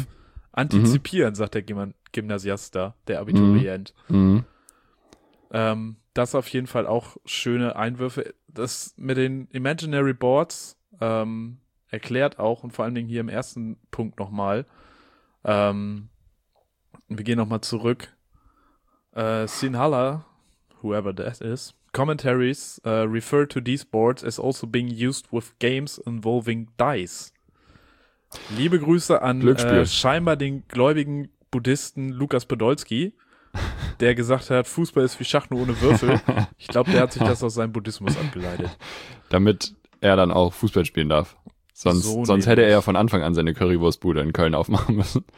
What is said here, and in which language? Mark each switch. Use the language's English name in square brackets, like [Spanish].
[German] Mhm. Antizipieren, sagt der Gymnasiast da, der Abiturient. Mhm. Das auf jeden Fall auch schöne Einwürfe. Das mit den Imaginary Boards erklärt auch und vor allen Dingen hier im ersten Punkt nochmal. Wir gehen nochmal zurück. [English] Sinhala, whoever that is, commentaries refer to these boards as also being used with games involving dice. [German] Liebe Grüße an scheinbar den gläubigen Buddhisten Lukas Podolski, der gesagt hat, Fußball ist wie Schach nur ohne Würfel. Ich glaube, der hat sich das aus seinem Buddhismus abgeleitet. Damit er dann auch Fußball spielen darf. Sonst hätte er ja von Anfang an seine Currywurstbude in Köln aufmachen müssen.